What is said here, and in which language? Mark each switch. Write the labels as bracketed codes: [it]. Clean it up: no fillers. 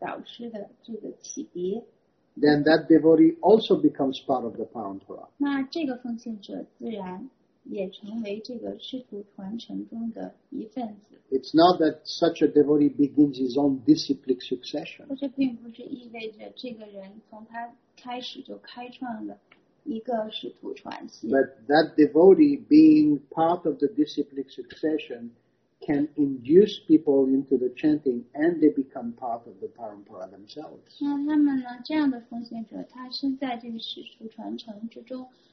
[zh] 那么如果说一个人他能够接受在这个师徒传承当中的一位灵性导师的这个启迪, [en] then that devotee also becomes part of the parampara. [zh] 那这个奉献者自然 [en] It's not that such a devotee begins his own disciplic succession. But that devotee, being part of the disciplic succession, can induce people into the chanting and they become part of the parampara themselves. [zh] 那他们呢，这样的奉献者，他身在这个师徒传承之中。